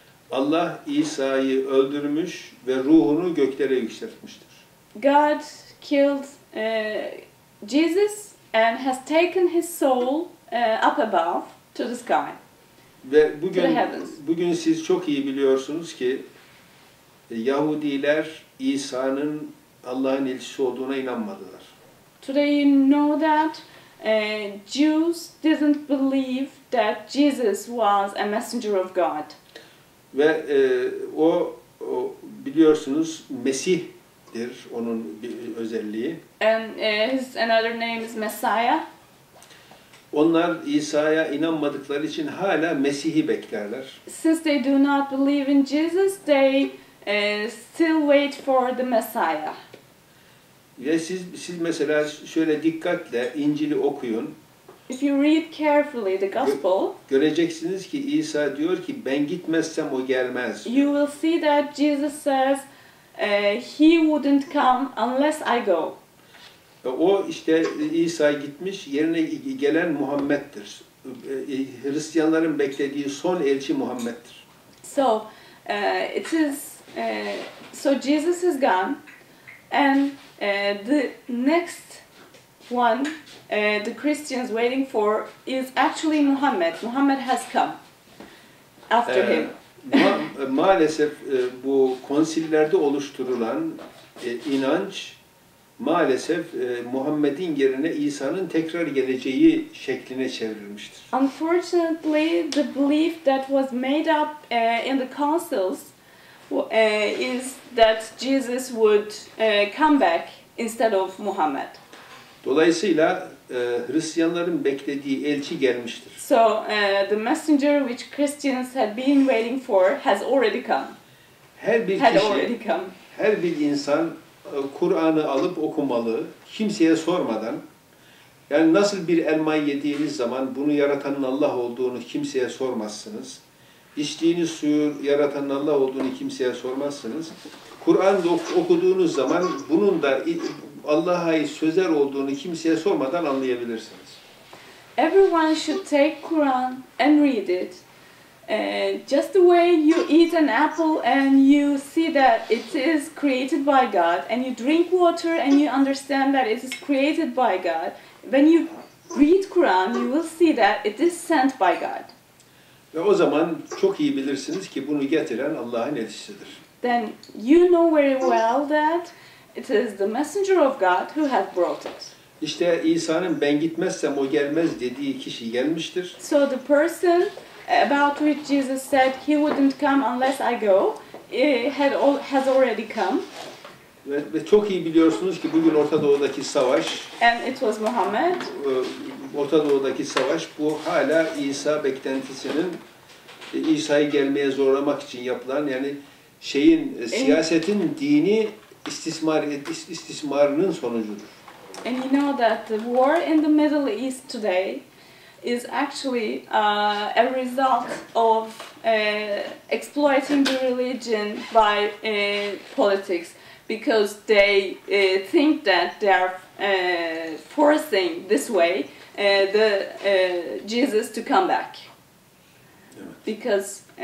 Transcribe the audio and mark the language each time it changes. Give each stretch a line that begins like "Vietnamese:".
Turkish: Allah İsa'yı öldürmüş ve ruhunu göklere yükseltmiştir.
English: God killed Jesus and has taken his soul up above to the sky.
Turkish: Ve bugün siz çok iyi biliyorsunuz ki Yahudiler İsa'nın Allah'ın elçisi olduğuna inanmadılar.
English: Today you know that Jews didn't believe that Jesus was a messenger of God.
Turkish: Ve o biliyorsunuz Mesih onun bir özelliği.
English: And his another name is Messiah.
Turkish: Onlar İsa'ya inanmadıkları için hala Mesih'i beklerler.
English: Since they do not believe in Jesus, they still wait for the Messiah.
Turkish: Ve siz mesela şöyle dikkatle İncil'i okuyun.
English: If you read carefully the gospel,
Turkish: göreceksiniz ki İsa diyor ki ben gitmezsem o gelmez.
English: You will see that Jesus says he wouldn't come unless I go.
Turkish: O işte İsa gitmiş, yerine gelen Muhammed'dir. Hristiyanların beklediği son elçi Muhammed'dir.
English: So it is so Jesus is gone and the next one the Christians waiting for is actually Muhammed. Muhammed has come after him.
Turkish: Maalesef bu konsillerde oluşturulan inanç maalesef Muhammed'in yerine İsa'nın tekrar geleceği şekline çevrilmiştir.
English: Unfortunately, the belief that was made up in the councils is that Jesus would come back instead of Muhammed.
Turkish: Dolayısıyla Hristiyanların beklediği elçi gelmiştir.
English: So the messenger which Christians had been waiting for has already come.
Turkish: Her bir her bir insan Kur'an'ı alıp okumalı, kimseye sormadan, yani nasıl bir elmayı yediğiniz zaman bunu yaratanın Allah olduğunu kimseye sormazsınız. İçtiğiniz suyu yaratanın Allah olduğunu kimseye sormazsınız. Kur'an'ı okuduğunuz zaman bunun da Allah'a ait sözler olduğunu kimseye sormadan anlayabilirsiniz.
English: Everyone should take Quran and read it. Just the way you eat an apple and you see that it is created by God, and you drink water and you understand that it is created by God. When you read Quran, you will see that it is sent by God.
Turkish: Ve o zaman çok iyi bilirsiniz ki bunu getiren Allah'ın elçisidir.
English: Then you know very well that it is the messenger of God who has brought it.
Turkish: İşte İsa'nın ben gitmezsem o gelmez dediği kişi gelmiştir.
English: So the person about which Jesus said he wouldn't come unless I go, has already come.
Turkish: Ve çok iyi biliyorsunuz ki bugün Orta Doğu'daki savaş.
English: And it was Muhammad.
Turkish: Orta Doğu'daki savaş bu hala İsa beklentisinin İsa'yı gelmeye zorlamak için yapılan yani şeyin siyasetin dini istismarının sonucudur.
English: And you know that the war in the Middle East today is actually a result of exploiting the religion by politics, because they think that they are forcing this way the Jesus to come back, because